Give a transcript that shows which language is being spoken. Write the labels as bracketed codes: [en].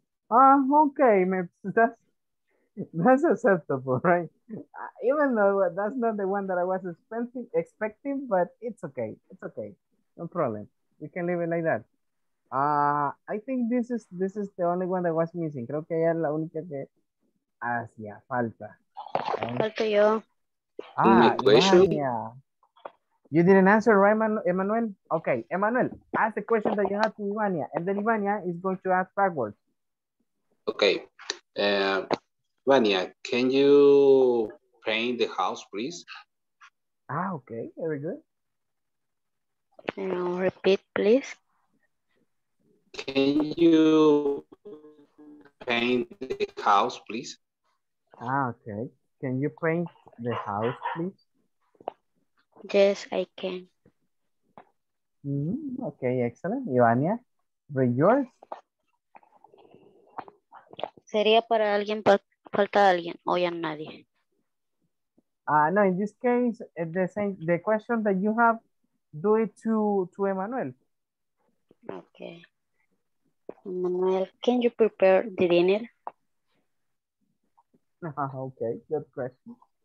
[en] Ah, okay, me. That's acceptable, right? Even though that's not the one that I was expecting, but it's okay. It's okay. No problem. We can leave it like that. I think this is the only one that was missing. [es] Creo que ella es la única que hacía falta. Falta yo. [en] Ah, yeah. You didn't answer, right, Emmanuel? Okay, Emmanuel, ask the question that you had to Ivania, and then Ivania is going to ask backwards. Okay. Vania, can you paint the house, please? Ah, okay, very good. Repeat, please. Can you paint the house, please? Ah, okay. Can you paint the house, please? Yes, I can. Okay, excellent. Vania, read yours. [es] Sería para alguien, para... Falta alguien, o ya nadie. [en] No, in this case, the same, the question that you have, do it to Emmanuel. Okay. Emmanuel, can you prepare the dinner? Okay, good question.